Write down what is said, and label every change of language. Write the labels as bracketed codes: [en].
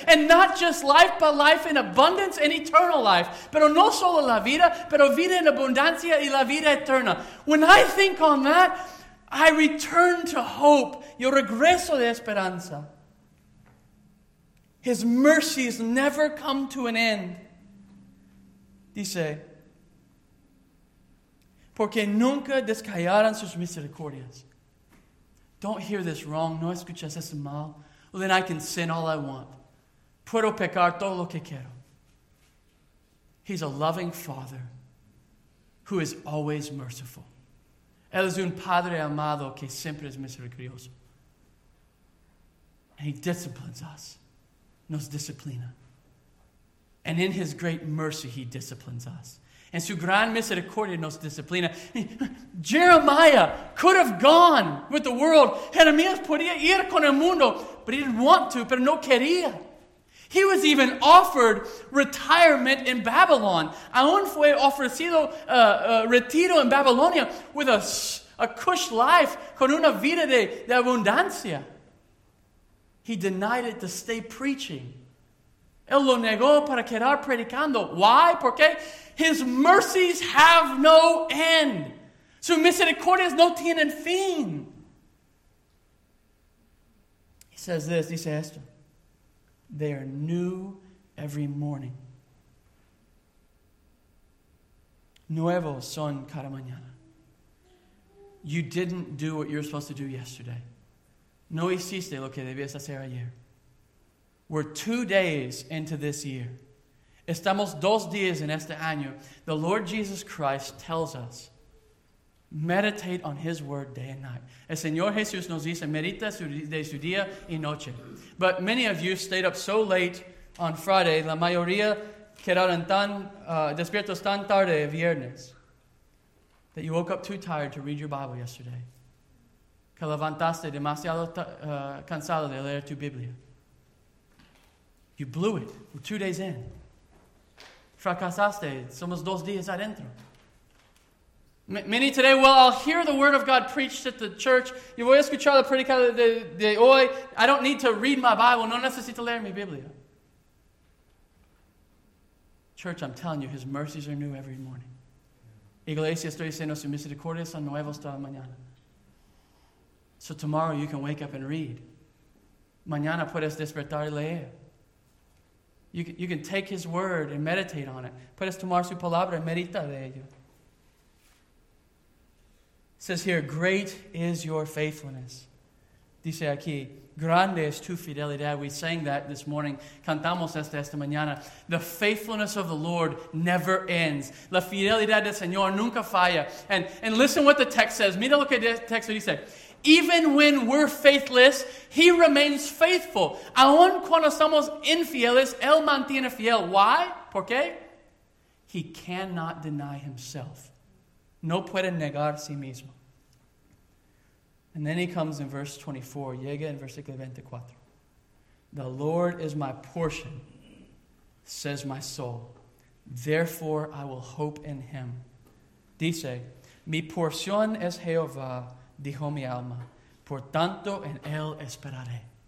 [en] And not just life, but life in abundance and eternal life. [es] Pero no solo la vida, pero vida en abundancia y la vida eterna. [en] When I think on that, I return to hope. [es] Yo regreso de esperanza. [en] His mercies never come to an end. [es] Dice, porque nunca descayeron sus misericordias. [en] Don't hear this wrong. [es] No escuchas eso mal. [en] Well, then I can sin all I want. [es] Puedo pecar todo lo que quiero. [en] He's a loving Father who is always merciful. [es] Él es un Padre amado que siempre es misericordioso. [en] And He disciplines us. [es] Nos disciplina. [en] And in His great mercy, He disciplines us. [es] En su gran misericordia nos disciplina. [en] Jeremiah could have gone with the world. [es] Jeremías podía ir con el mundo, [en] but he didn't want to, [es] pero no quería. [en] He was even offered retirement in Babylon. [es] Aún fue ofrecido retiro en Babilonia [en] with a cush life, [es] con una vida de abundancia. [en] He denied it to stay preaching. [es] Él lo negó para quedar predicando. [en] Why? [es] ¿Por qué? [en] His mercies have no end. [es] Su misericordia no tiene fin. [en] He says this, [es] dice esto. [en] They are new every morning. [es] Nuevos son cada mañana. [en] You didn't do what you were supposed to do yesterday. [es] No hiciste lo que debías hacer ayer. [en] We're 2 days into this year. [es] Estamos 2 días en este año. [en] The Lord Jesus Christ tells us, meditate on His word day and night. [es] El Señor Jesús nos dice, medita de su día y noche. [en] But many of you stayed up so late on Friday. [es] La mayoría quedaron tan despiertos tan tarde el viernes [en] that you woke up too tired to read your Bible yesterday. [es] Que levantaste demasiado cansado de leer tu Biblia. [en] You blew it. We're 2 days in. [es] Fracasaste. Somos 2 días adentro. [en] Many today, well, I'll hear the word of God preached at the church. [es] Yo voy a escuchar la predica de hoy. [en] I don't need to read my Bible. [es] No necesito leer mi Biblia. [en] Church, I'm telling you, His mercies are new every morning. [es] Iglesia, estoy diciendo, su misericordia son nuevos toda mañana. [en] So tomorrow you can wake up and read. [es] Mañana puedes despertar y leer. [en] You can take His word and meditate on it. [es] Puedes tomar su palabra y medita de ello. [en] It says here, great is your faithfulness. [es] Dice aquí, grande es tu fidelidad. [en] We sang that this morning. [es] Cantamos esta mañana. [en] The faithfulness of the Lord never ends. [es] La fidelidad del Señor nunca falla. [en] And listen what the text says. [es] Mira lo que el texto dice. [en] Even when we're faithless, He remains faithful. [es] Aun cuando somos infieles, Él mantiene fiel. [en] Why? [es] ¿Por qué? [en] He cannot deny Himself. [es] No puede negar sí mismo. [en] And then He comes in verse 24. [es] Llega en versículo 24. [en] The Lord is my portion, says my soul. Therefore, I will hope in Him. [es] Dice, mi porción es Jehová. Dijo mi alma, por tanto en él esperaré.